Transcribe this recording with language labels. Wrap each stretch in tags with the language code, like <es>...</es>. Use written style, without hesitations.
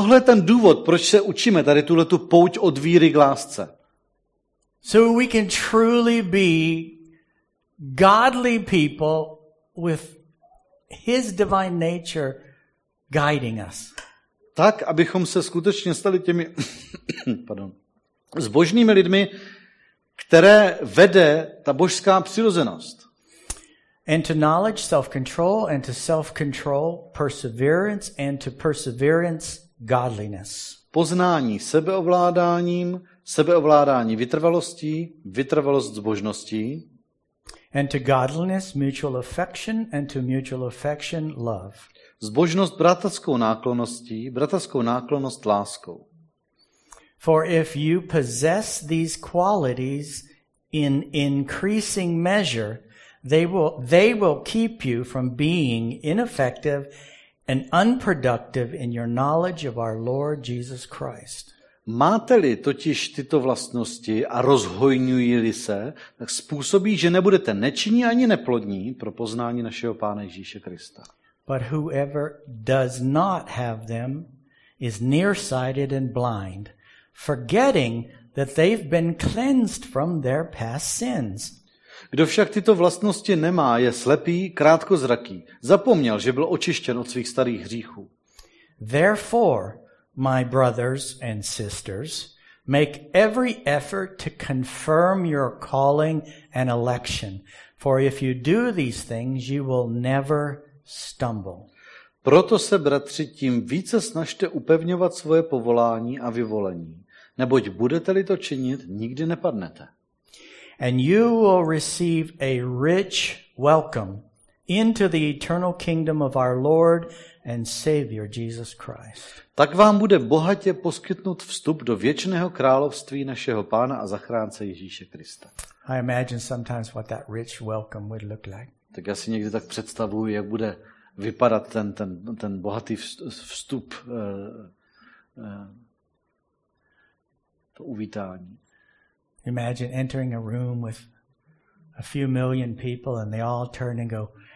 <cs>Tohle je ten důvod, proč se učíme tady tuhle tu pouť od víry k lásce.</cs> <en>So we can truly be godly people with his divine nature guiding us.</en> <cs>Tak, abychom se skutečně stali těmi zbožnými lidmi, které vede ta božská přirozenost.</cs> <en>And to knowledge, self-control, and to self-control, perseverance, and to perseverance, godliness.</en> <cs>Poznání sebeovládáním, sebeovládání vytrvalostí, vytrvalost zbožností.</cs> <en>And to godliness, mutual affection, and to mutual affection, love.</en> <cs>Zbožnost bratrskou náklonost láskou.</cs> <en>For if you possess these qualities in increasing measure, They will keep you from being ineffective and unproductive in your knowledge of our Lord Jesus Christ.</en> <cs>Máte-li totiž tyto vlastnosti a rozhojňují-li se, tak způsobí, že nebudete nečinní ani neplodní pro poznání našeho Pána Ježíše Krista.</cs> <en>But whoever does not have them is nearsighted and blind, forgetting that they've been cleansed from their past sins.</en> <cs>Kdo však tyto vlastnosti nemá, je slepý, krátkozraký. Zapomněl, že byl očištěn od svých starých hříchů.</cs> <en>Therefore, my brothers and sisters, make every effort to confirm your calling and election. For if you do these things, you will never stumble.</en> <cs>Proto se, bratři, tím více snažte upevňovat svoje povolání a vyvolení. Neboť budete-li to činit, nikdy nepadnete.</cs> <en>And you will receive a rich welcome into the eternal kingdom of our Lord and Savior Jesus Christ.</en> <cs>Tak vám bude bohatě poskytnut vstup do věčného království našeho Pána a zachránce Ježíše Krista.</cs> <en>I imagine sometimes what that rich welcome would look like.</en> <cs>Tak já si někdy tak představuji, jak bude vypadat ten bohatý vstup, to uvítání.</cs> <en>Imagine entering a room with a few million people and they all turn and go.</en>